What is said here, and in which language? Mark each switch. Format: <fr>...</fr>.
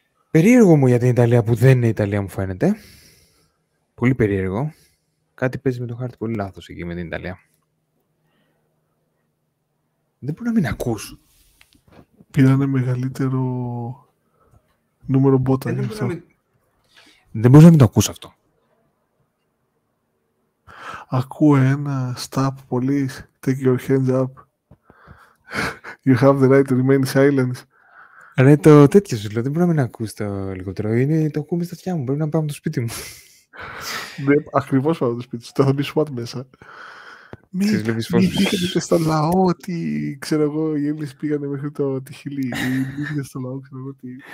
<el>Περίεργο μου για την Ιταλία που δεν είναι Ιταλία, μου φαίνεται. Πολύ περίεργο. Κάτι παίζει με το χάρτη πολύ λάθος εκεί με την Ιταλία. Δεν μπορεί να μην ακούς. Πήρανε μεγαλύτερο νούμερο μπότα. Δεν μπορεί να μην το ακούς αυτό. Ακούω ένα</el> <en>stop police, take your hands up. You have the right to remain silent.</en> <el>Ρε, το τέτοιο σου λέω, δεν μπορεί να μην ακούς το λιγότερο. Είναι το ακούμε στα αυτιά μου, πρέπει να πάμε το σπίτι μου. Ναι, ακριβώς πάμε το σπίτι σου, θα μπει SWAT μέσα. Μην δείχνετε στο λαό ότι, ξέρω εγώ, οι Έλληνες πήγανε μέχρι το Τυχιλί. Μην δείχνετε στο λαό, ξέρω εγώ, ότι...</el>